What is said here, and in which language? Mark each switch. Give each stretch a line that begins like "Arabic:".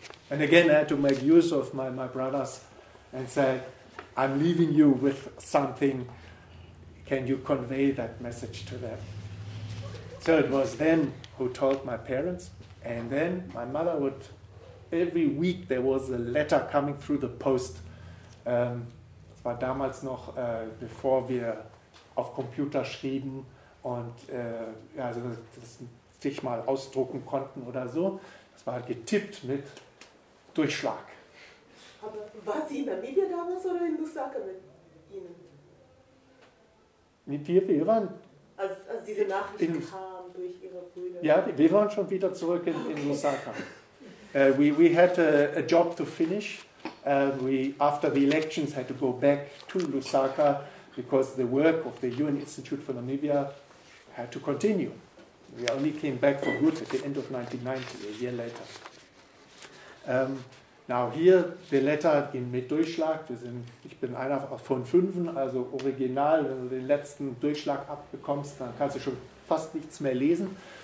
English: And again, I had to make use of my brothers and say, I'm leaving you with something. Can you convey that message to them? So it was them who told my parents, and then my mother would, every week there was a letter coming through the post
German: war damals noch, bevor wir auf Computer schrieben und ja, also das sich mal ausdrucken konnten oder so. Das war halt getippt mit Durchschlag. Aber war sie in Namibia damals oder in Lusaka mit Ihnen? Mit wir waren. Als diese Nachricht kam durch ihre Brüder. Ja, wir waren schon wieder zurück in Lusaka.
English: We had a job to finish. We after the elections had to go back to Lusaka because the work of the UN Institute for Namibia had to continue. We only came back for good at the end of 1990, a year later. Now here the letter in
German: mit Durchschlag. Ich bin einer von fünf, also original. Wenn du den letzten Durchschlag abbekommst, dann kannst du schon fast nichts mehr lesen.